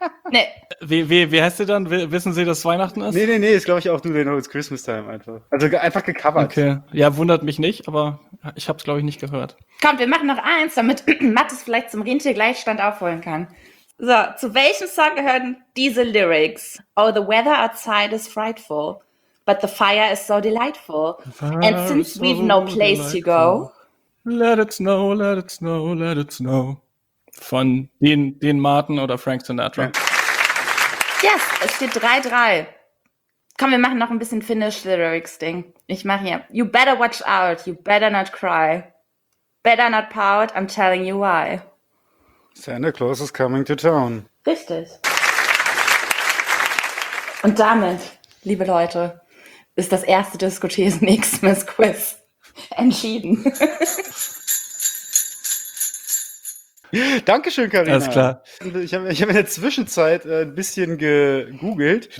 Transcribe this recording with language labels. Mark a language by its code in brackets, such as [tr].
[de] Nee. Wie heißt der dann? Wissen Sie, dass Weihnachten ist? Nee, ist, glaube ich, auch Do They Know It's Christmas Time einfach. Also einfach gecovert. Okay, ja, wundert mich nicht, aber ich habe es, glaube ich, nicht gehört. Komm, wir machen noch eins, damit Mattes vielleicht zum Rentiergleichstand aufholen kann. So, zu welchem Song gehören diese Lyrics? [en] Oh, the weather outside is frightful, but the fire is so delightful. And since so we've no place to go. Let it snow, let it snow, let it snow. [de] Von Dean Martin oder Frank Sinatra. Ja. Yes, es steht 3-3. Komm, wir machen noch ein bisschen Finnish Lyrics Ding. Ich mache hier. [en] You better watch out, you better not cry. Better not pout, I'm telling you why. Santa Claus is coming to town. [de] Richtig. Und damit, liebe Leute, ist das erste Disco-Thesen Xmas Quiz entschieden. Dankeschön, Carina. Alles klar. Ich hab in der Zwischenzeit ein bisschen gegoogelt.